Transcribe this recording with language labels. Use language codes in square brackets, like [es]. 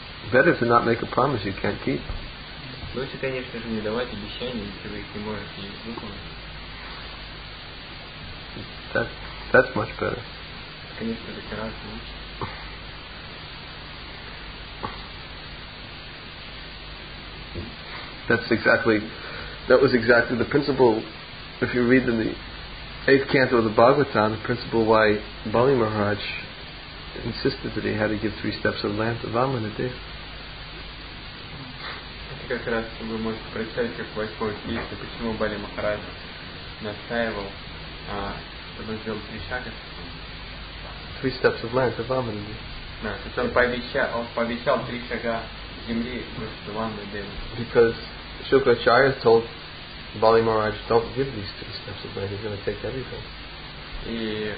[en] Better to not make a promise you can't keep. [ru] Лучше, конечно же, не давать обещания, если вы их не можете выполнить. [en] That's much better. [ru] Конечно же, гораздо лучше. [en] That was exactly the principle. If you read in the 8th canto of the Bhagavatam, the principle why Bali Maharaj insisted that he had to give 3 steps of land to Vamana Dev. [ru] Это как раз вы можете прочитать, как 8 канто, почему Бали Махарадж настаивал, чтобы сделал 3 шага. [en] 3 steps of land to Vamana Dev. [ru] Да, то есть он пообещал 3 шага земли просто Ванны Деви. [en] Because Shukracharya told Bali Maharaj, don't give these 3 steps of land, he's going to take everything.